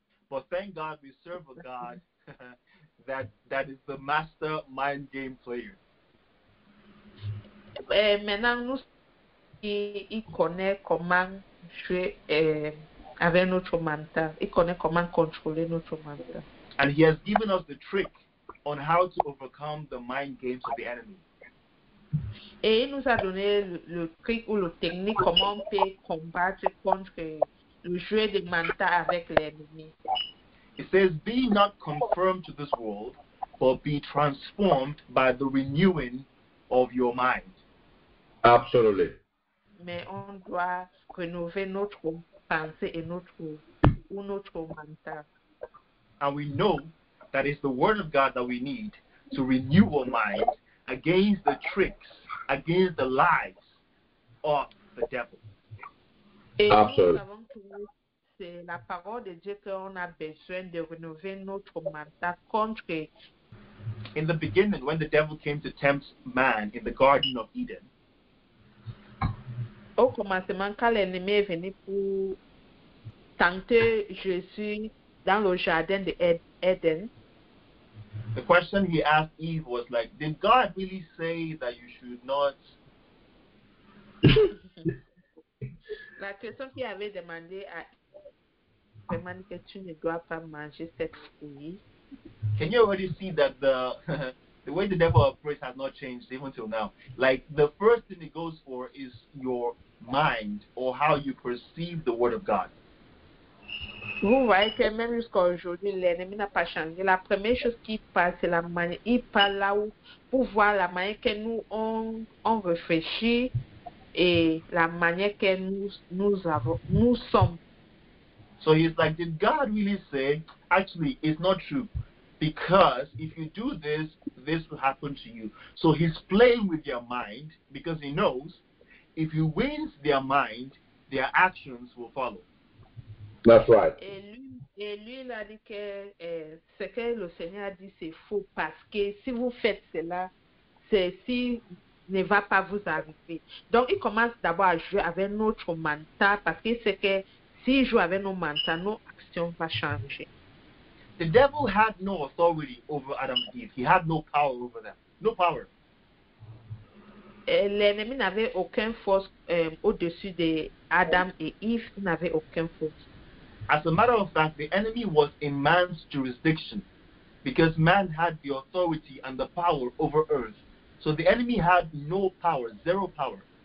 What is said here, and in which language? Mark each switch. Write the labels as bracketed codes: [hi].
[en] But thank God we serve a God that is the master mind game player. [fr] Maintenant, nous, il connaît comment jouer avec notre mental. Il connaît comment contrôler notre mental. [en] And he has given us the trick on how to overcome the mind games of the enemy. [fr] Et il nous a donné le trick ou le technique comment on peut combattre contre le jeu de mental avec l'ennemi. [en] It says, be not conformed to this world, but be transformed by the renewing of your mind. Absolutely. [fr] Mais on doit renouveler notre pensée et notre mental. [en] And we know that it's the word of God that we need to renew our mind against the tricks, against the lies of the devil. Absolutely. [fr] C'est la parole de Dieu qu'on a besoin de renouveler notre mental contre. [en] In the beginning, when the devil came to tempt man in the Garden of Eden, [fr] au commencement, quand l'ennemi est venu pour tenter Jésus dans le jardin de Eden, [en] the question he asked Eve was like, did God really say that you should not? [fr] La question qu'il avait demandé à Eve, demande que tu ne dois pas manger cette fruit. [en] Can you already see that the The way the devil operates has not changed even till now. Like, the first thing it goes for is your mind or how you perceive the word of God. [fr] Vous voyez que même jusqu'à aujourd'hui, l'ennemi n'a pas changé. La première chose qu'il parle, c'est la manière. Il parle là où, pour voir la manière que nous on réfléchit et la manière que nous sommes. [en] So he's like, did God really say, actually, it's not true. Because if you do this, this will happen to you. So he's playing with your mind because he knows if you win their mind, their actions will follow. That's right. [fr] Et lui, il a dit que ce que le Seigneur a dit, c'est faux. Parce que si vous faites cela, ceci ne va pas vous arriver. Donc, il commence d'abord à jouer avec notre mental. Parce que c'est que s'il joue avec nos mentaux, nos actions vont changer. [en] The devil had no authority over Adam and Eve. He had no power over them. No power. [fr] L'ennemi n'avait aucune force au-dessus de Adam et Eve. Il n'avait aucune force. [en] As a matter of fact, the enemy was in man's jurisdiction because man had the authority and the power over earth. So the enemy had no power, zero power.